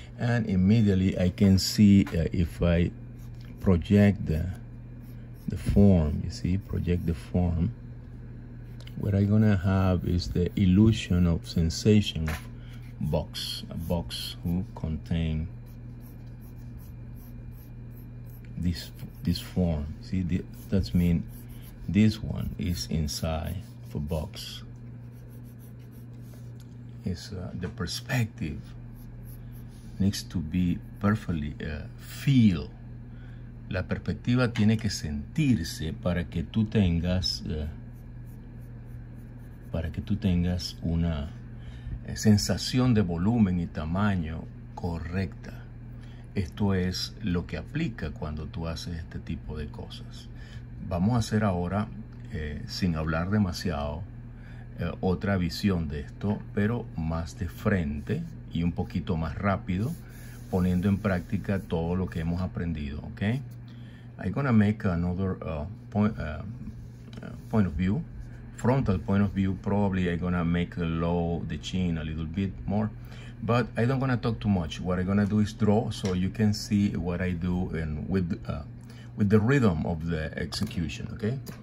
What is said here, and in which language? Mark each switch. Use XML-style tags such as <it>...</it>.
<en>And immediately I can see if I project the form, you see, project the form, what I'm gonna have is the illusion of sensation of box, a box who contain this form. See, that mean this one is inside of a box. It's the perspective needs to be perfectly feel.</en> <es>La perspectiva tiene que sentirse para que tú tengas una sensación de volumen y tamaño correcta. Esto es lo que aplica cuando tú haces este tipo de cosas. Vamos a hacer ahora, sin hablar demasiado, otra visión de esto, pero más de frente y un poquito más rápido, poniendo en práctica todo lo que hemos aprendido, ¿ok?</es> <en>I'm gonna make another point of view. Frontal point of view, probably I'm gonna make a low the chin a little bit more, but I don't gonna talk too much. What I'm gonna do is draw so you can see what I do and with the rhythm of the execution, okay?</en>